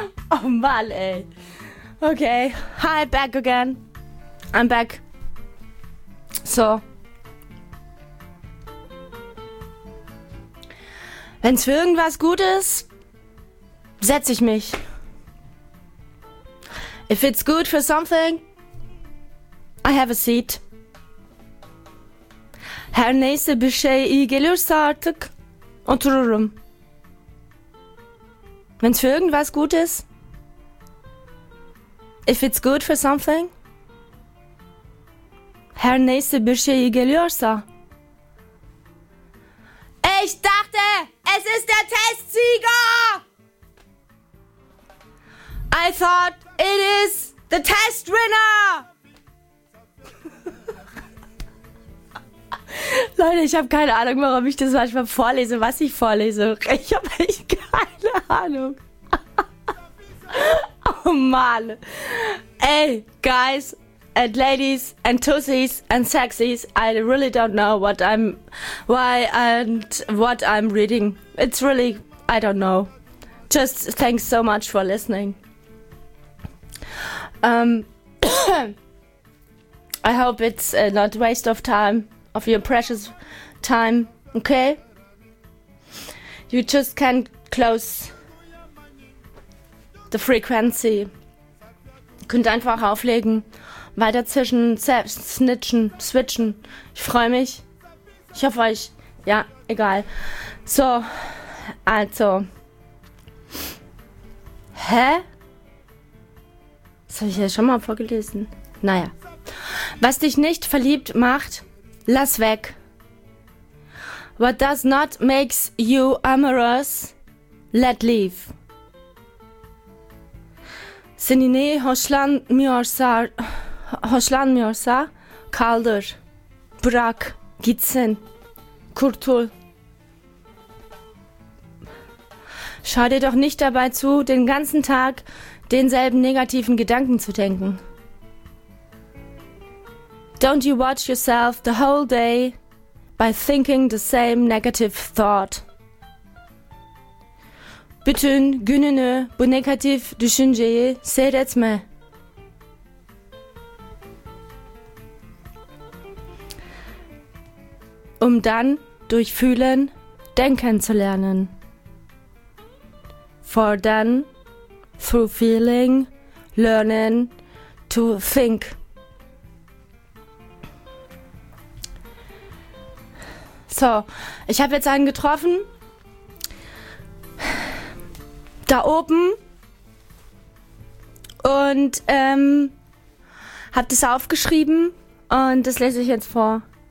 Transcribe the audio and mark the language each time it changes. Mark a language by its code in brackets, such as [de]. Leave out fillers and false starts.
[de] Oh Mann, ey. [en] Okay. Hi, back again. I'm back. So. [de] Wenn's für irgendwas gut ist, setz ich mich. [en] If it's good for something, I have a seat. [tr] Her neyse bir şey iyi gelirse artık, otururum. [de] Wenn's für irgendwas gut ist, [en] if it's good for something, [tr] her neyse bir şey iyi geliyorsa. [de] Ich dachte, es ist der Testsieger! [en] I thought it is the test winner! [de] Leute, ich habe keine Ahnung, warum ich das manchmal vorlese, was ich vorlese. Ich habe echt keine Ahnung. Oh Mann. Ey, Guys. [en] And ladies, and tussies, and sexies, I really don't know what I'm reading. It's really, I don't know. Just thanks so much for listening. I hope it's not a waste of time, of your precious time, okay? You just can't close the frequency. [de] Könnt einfach auflegen. Weiter zischen, snitchen, switchen. Ich freue mich. Ich hoffe euch. Ja, egal. So, also. Hä? Das habe ich ja schon mal vorgelesen. Naja. Was dich nicht verliebt macht, lass weg. [en] What does not makes you amorous, let leave. [tr] Seni ne hoşlanmıyorsa... Hoşlanmıyorsa kaldır, bırak, gitsin, kurtul. [de] Schau dir doch nicht dabei zu, den ganzen Tag denselben negativen Gedanken zu denken. [en] Don't you watch yourself the whole day by thinking the same negative thought. [tr] Bütün gününü bu negatif düşünceyi seyretme. [de] um dann durch Fühlen denken zu lernen. [en] For then, through feeling, learning to think. [de] So, ich habe jetzt einen getroffen. Da oben. Und hab das aufgeschrieben und das lese ich jetzt vor.